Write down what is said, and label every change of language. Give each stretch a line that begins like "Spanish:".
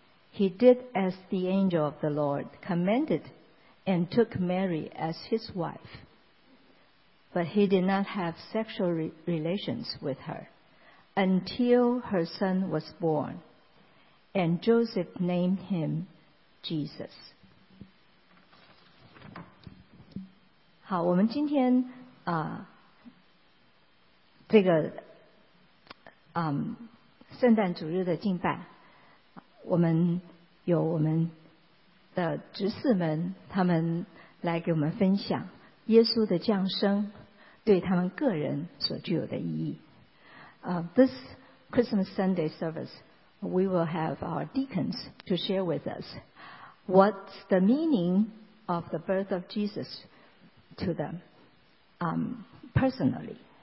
English: He did as the angel of the Lord commanded and took Mary as his wife. But he did not have sexual relations with her until her son was born, and Joseph named him Jesus.
Chinese: 好，我们今天啊，这个圣诞主日的敬拜，我们有我们的执事们，他们来给我们分享耶稣的降生对他们个人所具有的意义。
English: This Christmas Sunday service, we will have our deacons to share with us what's the meaning of the birth of Jesus to them personally.